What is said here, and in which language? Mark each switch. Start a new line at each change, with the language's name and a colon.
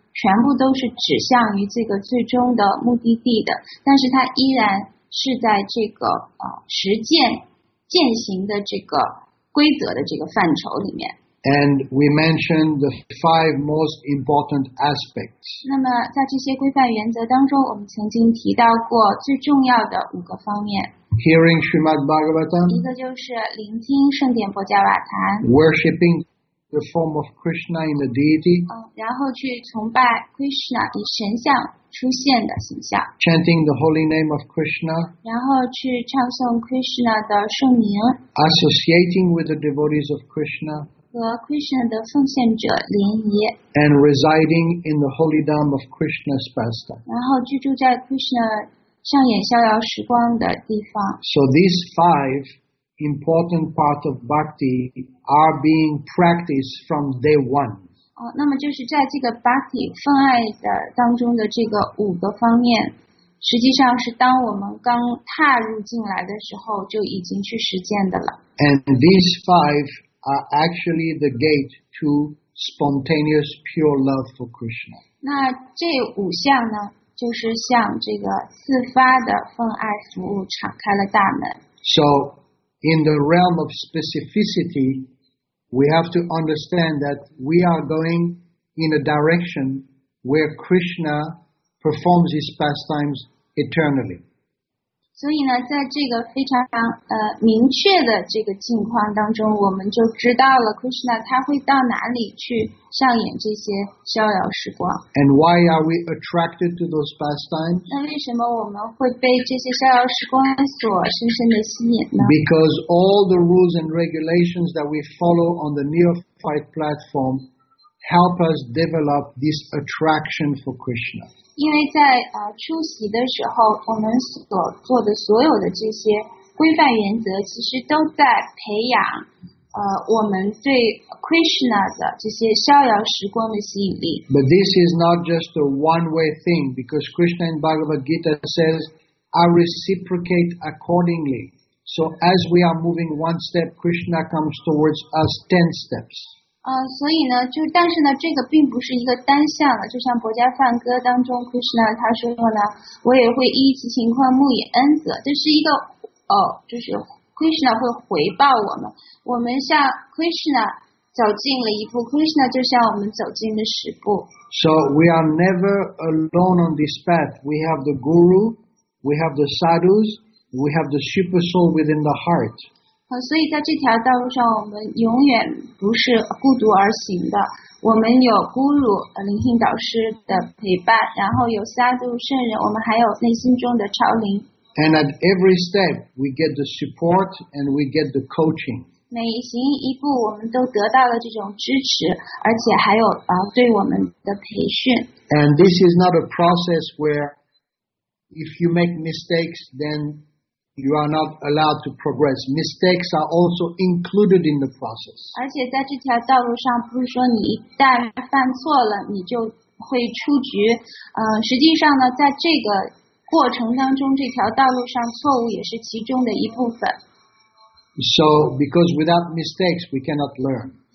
Chinese: 全部都是指向于这个最终的目的地的，但是它依然是在这个实践践行的这个规则的这个范畴里面。
English: And we mentioned the five most important aspects.
Chinese: 那么在这些规范原则当中，我们曾经提到过最重要的五个方面。
English: Hearing Srimad Bhagavatam.
Chinese: 一个就是聆听圣典波迦瓦坛。
English: Worshipping. The form of Krishna in the deity.
Chinese: 然后去崇拜 Krishna 以神像出现的形象。
English: Chanting the holy name of Krishna.
Chinese: 然后去唱诵 Krishna 的圣名。
English: Associating with the devotees of Krishna.
Chinese: 和 Krishna 的奉献者联谊。
English: And residing in the holy dham of Krishna's pastime.
Chinese: 然后居住在 Krishna 上演逍遥时光的地方。
English: So these five. Important part of bhakti are being practiced from day one.
Chinese: 那么就是在这个 bhakti 奉爱的当中的这个五个方面，实际上是当我们刚踏入进来的时候就已经去实践的了。
English: And these five are actually the gate to spontaneous pure love for Krishna.
Chinese: 那这五项呢，就是向这个四发的奉爱服务敞开了大门。
English: So, in the realm of specificity, we have to understand that we are going in a direction where Krishna performs his pastimes eternally.
Chinese: 所以呢，在这个非常明确的这个境况当中，我们就知道了 Krishna 他会到哪里去上演这些逍遥时光。
English: And why are we attracted to those pastimes?
Chinese: 那为什么我们会被这些逍遥时光所深深的吸引呢？
English: Because all the rules and regulations that we follow on the neophyte platform help us develop this attraction for Krishna.
Chinese: 因为在出席的时候，我们所做的所有的这些规范原则，其实都在培养我们对 Krishna 的这些逍遥时光的吸引力。
English: But this is not just a one-way thing, because Krishna in Bhagavad Gita says, "I reciprocate accordingly." So as we are moving one step, Krishna comes towards us 10 steps.
Chinese: 所以呢，就但是呢，这个并不是一个单向的，就像《薄伽梵歌》当中 Krishna 他说呢，我也会依此情况慕以恩泽，这是一个就是 Krishna 会回报我们，我们向 Krishna 走进了一步 ，Krishna 就向我们走进了十步。
English: So we are never alone on this path. We have the guru, we have the sadhus, we have the super soul within the heart.
Chinese: 所以在这条道路上我们永远不是孤独而行的。我们有孤独灵性导师的陪伴，然后有萨度圣人，我们还有内心中的超灵。
English: And at every step, we get the support and we get the coaching.
Chinese: 每行一步我们都得到了这种支持，而且还有对我们的培训。
English: And this is not a process where if you make mistakes, thenYou are not allowed to progress. Mistakes are also included in the process.
Chinese: 而且在这条道路上，不是说你一旦犯错了，你就会出局。实际上呢，在这个过程当中，这条道路上错误也是其中的一部分。
English: So, because without mistakes, we cannot learn.